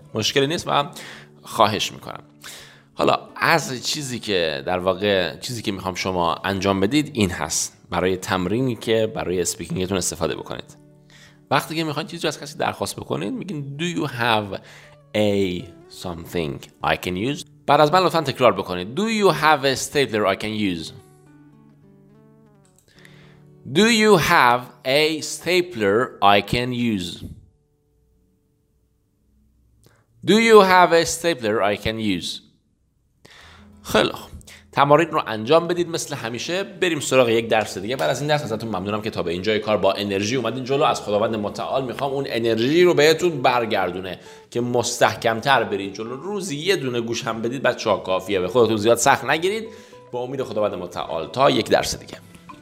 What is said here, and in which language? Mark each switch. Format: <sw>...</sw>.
<fa>مشکلی نیست و خواهش میکنم. حالا از چیزی که در واقع چیزی که میخوام شما انجام بدید این هست. برای تمرینی که برای سپیکینگتون استفاده بکنید. وقتی که میخواید چیزی از کسی درخواست بکنید میگین</fa> <en>Do you have a something I can use.</en> <fa>بعد از من لطفاً تکرار بکنید.</fa> <en>Do you have a stapler I can use? Do you have a stapler I can use? Do you have a stapler I can use?</en> <fa>خیلی خوب. تمارین رو انجام بدید مثل همیشه. بریم سراغ یک درس دیگه. بعد از این درس ازتون ممنونم که تا به اینجای کار با انرژی اومدین جلو. از خداوند متعال میخوام اون انرژی رو بهتون برگردونه که مستحکمتر برید جلو. روزی یه دونه گوش هم بدید بچه‌ها کافیه. به خودتون زیاد سخت نگیرید. با امید خداوند متعال تا یک درس دیگه.</fa>